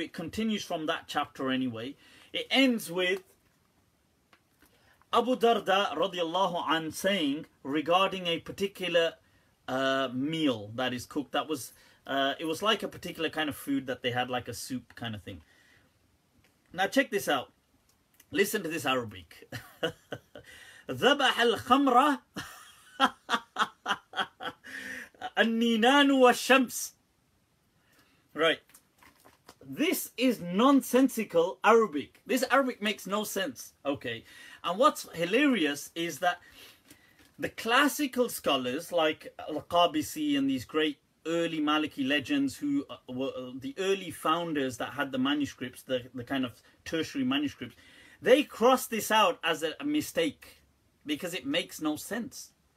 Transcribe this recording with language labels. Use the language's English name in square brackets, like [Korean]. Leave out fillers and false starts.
[English] It continues from that chapter anyway. It ends with Abu Darda radiallahu anh saying regarding a particular meal that is cooked. That was, it was like a particular kind of food that they had, like a soup kind of thing. Now check this out. Listen to this Arabic. [Arabic] ذبح الخمرة النينان والشمس Right. [English] This is nonsensical Arabic. This Arabic makes no sense. Okay. And what's hilarious is that the classical scholars like Al-Qabisi and these great early Maliki legends who were the early founders that had the manuscripts, the kind of tertiary manuscripts, they cross this out as a mistake because it makes no sense.